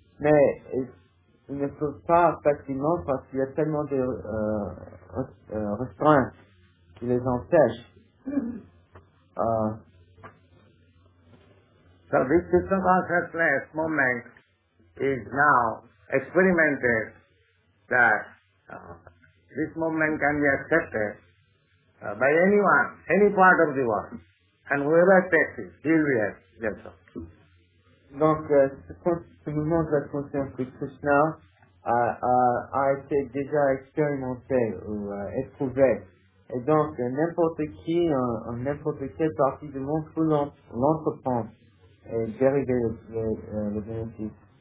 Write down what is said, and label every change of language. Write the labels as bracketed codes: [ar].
[fr] Mais ils ne peuvent pas facilement parce qu'il y a tellement de restreintes qui les empêchent. [en] So this Krishna consciousness moment is now experimented that this moment can be accepted by anyone, any part of the world. And whoever takes it, he will be happy. Yes, sir. [fr] Donc, ce mouvement de la conscience de Krishna a été déjà expérimenté ou éprouvé. Et donc, n'importe qui, en n'importe quelle partie du monde peut l'entreprendre et dériver le bénéfice.